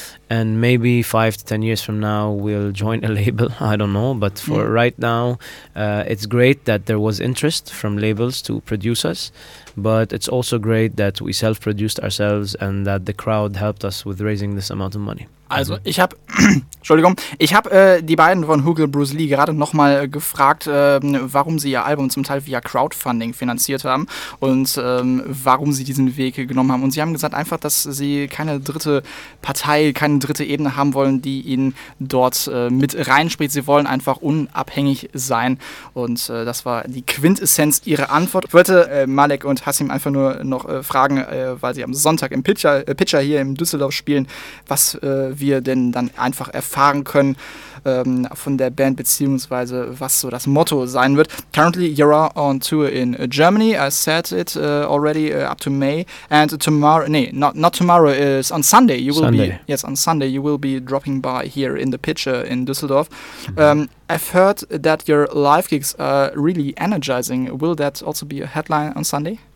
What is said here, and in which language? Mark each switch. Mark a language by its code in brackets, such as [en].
[en] And maybe 5 to 10 years from now, we'll join a label. I don't know. But for right now, it's great that there was interest from labels to produce us. But it's also great that we self-produced ourselves and that the crowd helped us with raising this amount of money. [de] Also, ich habe, Entschuldigung, ich habe die beiden von Hugel Bruce Lee gerade nochmal gefragt, warum sie ihr Album zum Teil via Crowdfunding finanziert haben und warum sie diesen Weg genommen haben. Und sie haben gesagt einfach, dass sie keine dritte Partei, keine dritte Ebene haben wollen, die ihnen dort mit reinspricht. Sie wollen einfach unabhängig sein. Und das war die Quintessenz ihrer Antwort. Ich wollte Malek und Hassim einfach nur noch fragen, weil sie am Sonntag im Pitcher hier im Düsseldorf spielen, was wir denn dann einfach erfahren können von der Band, beziehungsweise was so das Motto sein wird. [en] Currently you're on tour in Germany, I said it already, up to May, and tomorrow, nee, not tomorrow, is on Sunday, you will Sunday. Be, yes, on Sunday, you will be dropping by here in the Pitcher in Düsseldorf. I've heard that your live gigs are really energizing, will that also be a headline on Sunday?